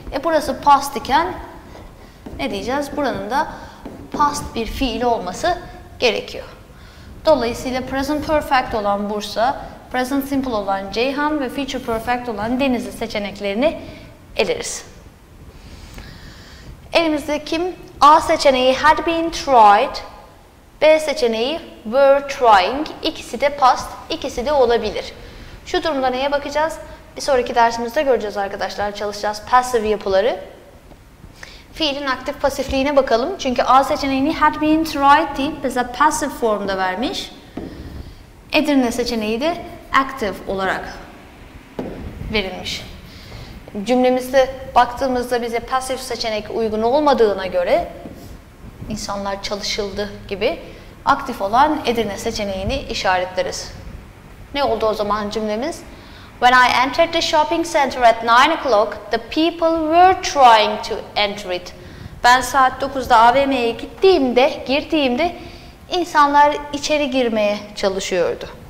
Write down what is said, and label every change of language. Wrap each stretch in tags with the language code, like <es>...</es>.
<tr>Burası past iken ne diyeceğiz? Buranın da past bir fiil olması gerekiyor. Dolayısıyla present perfect olan Bursa, present simple olan Ceyhan ve future perfect olan Deniz'in seçeneklerini eleriz. Elimizde kim? A seçeneği had been tried, B seçeneği were trying. İkisi de past, ikisi de olabilir. Şu durumda neye bakacağız? Bir sonraki dersimizde göreceğiz arkadaşlar, çalışacağız passive yapıları. Fiilin aktif pasifliğine bakalım. Çünkü A seçeneğini had been tried deyip bize passive formda vermiş. Edirne seçeneği de active olarak verilmiş. Cümlemizde baktığımızda bize passive seçenek uygun olmadığına göre, insanlar çalışıldı gibi, aktif olan Edirne seçeneğini işaretleriz. Ne oldu o zaman cümlemiz?</tr> <en>When I entered the shopping center at 9 o'clock, the people were trying to enter it.</en> <tr>Ben saat 9'da AVM'ye girdiğimde insanlar içeri girmeye çalışıyordu.</tr>